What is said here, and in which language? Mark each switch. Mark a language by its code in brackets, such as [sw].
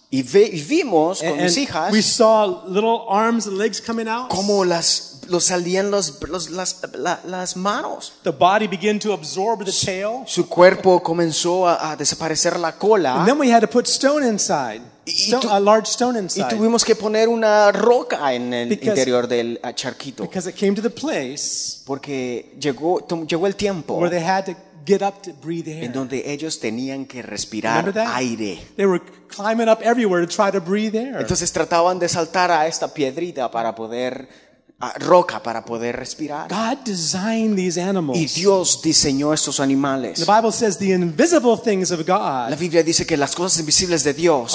[es] Y vimos con mis hijas. [en] We saw little arms and legs coming out. [es] Como los salían las manos. [en] The body began to absorb the tail. [es] Su cuerpo comenzó a desaparecer la cola. [en] And then we had to put stone inside. A large stone inside. [es] Y tuvimos que poner una roca en el interior del charquito. [en] Because it came to the place. [es] Porque llegó el tiempo. [en] Where they had to get up to breathe air. [es] En donde ellos tenían que respirar aire. [en] They were climbing up everywhere to try to breathe air. [es] Entonces trataban de saltar a esta piedrita para poder roca para poder respirar. [en] God designed these animals. [es] Y Dios diseñó estos animales. [en] The Bible says the invisible things of God. [es] La Biblia dice que las cosas invisibles de Dios